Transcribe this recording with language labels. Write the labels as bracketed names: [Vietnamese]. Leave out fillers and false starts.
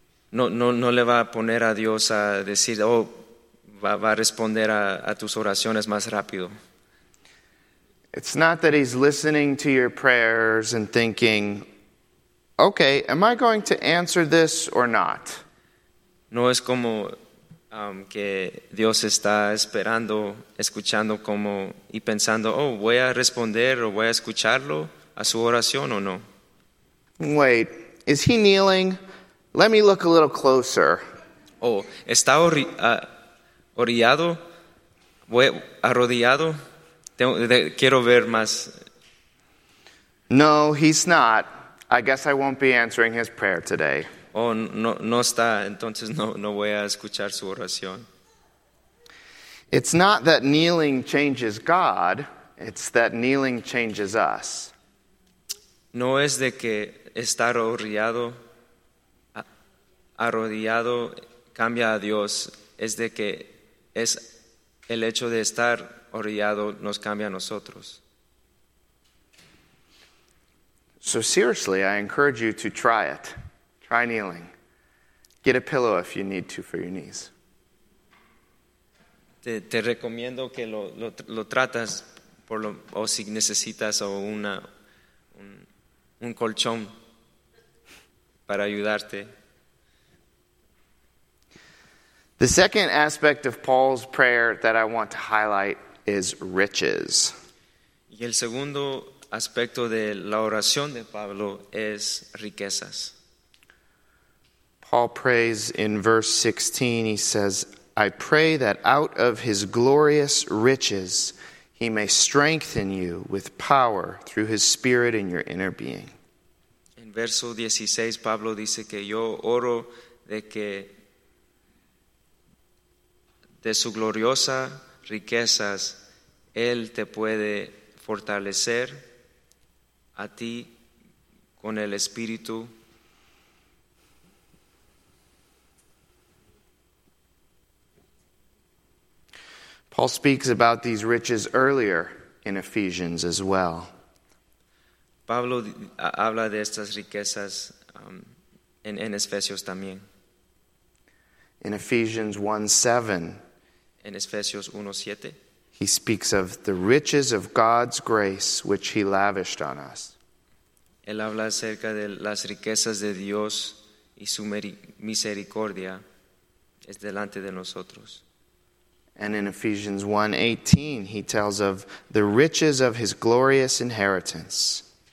[Spanish] No le va a poner a Dios a decir, oh, va a responder a tus oraciones más rápido. [English] It's not that he's listening to your prayers and thinking, okay, am I going to answer this or not? [Spanish] No es como que Dios está esperando, escuchando como y pensando, oh, voy a responder o voy a escucharlo a su oración o no. [English] Wait, is he kneeling? Let me look a little closer. [Spanish] Oh, está orillado, arrodillado. Quiero ver más. [English] No, he's not. I guess I won't be answering his prayer today. [Spanish] Oh, no está. Entonces no voy a escuchar su oración. [English] It's not that kneeling changes God. It's that kneeling changes us. [Spanish] No es de que estar arrodillado cambia a Dios. Es de que es el hecho de estar arrodillado nos cambia a nosotros. [English] So seriously, I encourage you to try it. Try kneeling. Get a pillow if you need to for your knees. [Spanish] Te recomiendo que lo tratas por lo, o si necesitas o una un colchón para ayudarte. [English] The second aspect of Paul's prayer that I want to highlight is riches. [Spanish] Y el segundo aspecto de la oración de Pablo es riquezas. [English] Paul prays in verse 16, he says, I pray that out of his glorious riches he may strengthen you with power through his Spirit in your inner being. [Spanish] En verso 16, Pablo dice que yo oro de que de su gloriosa riquezas él te puede fortalecer a ti con el espíritu. [English] Paul speaks about these riches earlier in Ephesians as well. [Spanish] Pablo habla de estas riquezas en Efesios también. [English] In Ephesians 1:7. [Spanish] En Efesios 1:7. [English] He speaks of the riches of God's grace which he lavished on us. [Spanish] Él habla acerca de las riquezas de Dios y su misericordia es delante de nosotros. [English] And in Ephesians 1:18, he tells of the riches of his glorious inheritance.